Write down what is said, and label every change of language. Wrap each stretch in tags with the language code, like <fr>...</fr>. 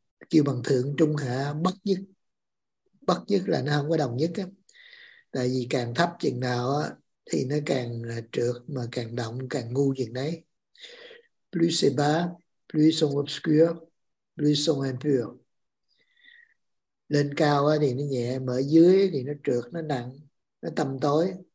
<vi>Kêu bằng thượng trung hạ bất nhất. Bất nhất là nó không có đồng nhất. Tại vì càng thấp chừng nào thì nó càng trượt, mà càng động càng ngu chừng đấy.</vi> <fr>Plus c'est bas, plus ils sont obscurs, plus ils sont impurs.</fr> <vi>Lên cao thì nó nhẹ, mà ở dưới thì nó trượt, nó nặng, nó tăm tối.</vi>